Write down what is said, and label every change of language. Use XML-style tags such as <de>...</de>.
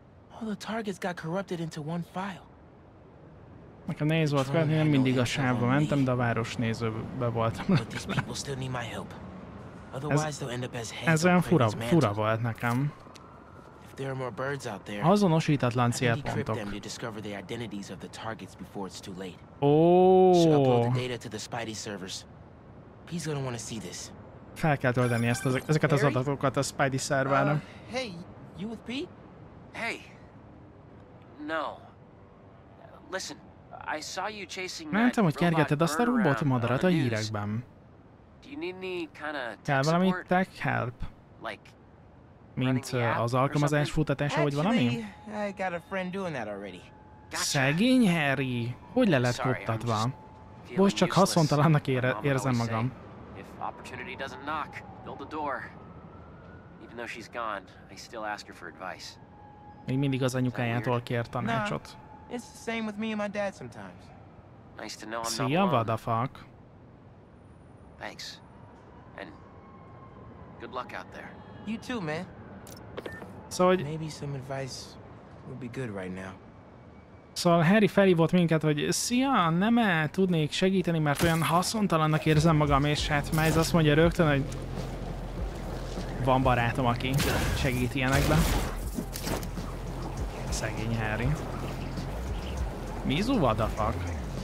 <en>All the targets got corrupted into one file.</en> <hu>Nekem nehéz volt követni, nem mindig a sávba mentem, de a városnézőbe voltam.</hu> <en>But these people still need my help. Otherwise they'll end up as heads.</en> <hu>Ez olyan fura volt nekem.</hu> <en>There are more birds out there.</en> <hu>Azonosítatlan célpontok.</hu> <en>To discover the identities of the targets before it's too late. Oh. Data to the Spidey servers. He's gonna want to see this.</en> <hu>Fel kell tölteni ezeket az adatokat a Spidey szervára.</hu> <en>Hey, you with Pete? Hey. No. Listen, I saw you chasing</en> <hu>that. Mentem, hogy kergeted azt a robot madarat a hírekben.</hu> <en>Do you need any kind of tech support? Tech help? Like,</en> <hu>mint az alkalmazás futtatása, vagy valami?</hu> <en>I got a friend doing that already. Gotcha.</en> <hu>Szegény Harry, hogy le lett kuttatva? Most csak haszontalannak érzem magam.</hu> <en>If opportunity doesn't knock, build the door. Even though she's gone, I still ask her for advice.</en> <hu>Még mindig az anyukájától kér tanácsot.</hu> <en>It's the same with me and my dad sometimes. Nice to know I'm not alone.</en> <hu>Szia,</hu> <en>what the fuck? Thanks. And good luck out there. You too, man.</en> <hu>Szóval,</hu> <en>maybe some advice would be good right now.</en> <hu>Szóval Harry felhívott minket, hogy szia, nem-e tudnék segíteni, mert olyan haszontalannak érzem magam, és hát Miles azt mondja rögtön, hogy van barátom, aki segít ilyenekben. Szegény Harry. Mizu,</hu> <en>what the fuck?</en>